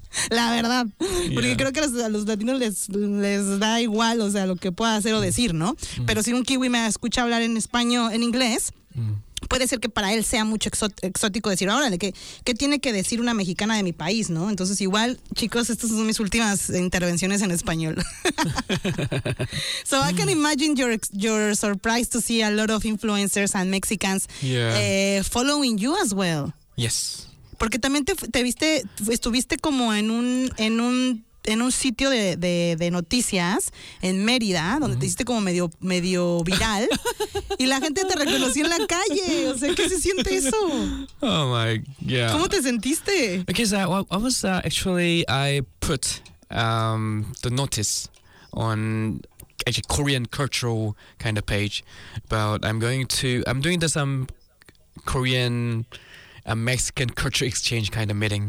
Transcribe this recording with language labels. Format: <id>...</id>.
<es>La verdad. Porque creo que a los latinos les da igual, o sea, lo que pueda hacer o decir, ¿no? Pero si un kiwi me escucha hablar en español, en inglés, puede ser que para él sea mucho exótico decir, órale, ¿qué tiene que decir una mexicana de mi país, no? Entonces, igual, chicos, estas son mis últimas intervenciones en español.</es> <en>So I can imagine your surprise to see a lot of influencers and Mexicans following you as well. Yes.</en> <es>Porque también te viste, estuviste como en un sitio de noticias en Mérida, donde te hiciste como medio viral y la gente te reconoció en la calle. O sea, ¿qué se siente eso?</es> <en>Oh my, yeah.</en> <es>¿Cómo te sentiste?</es> <en>Because I put the notice on actually Korean cultural kind of page about I'm doing this Korean a Mexican culture exchange kind of meeting.</en>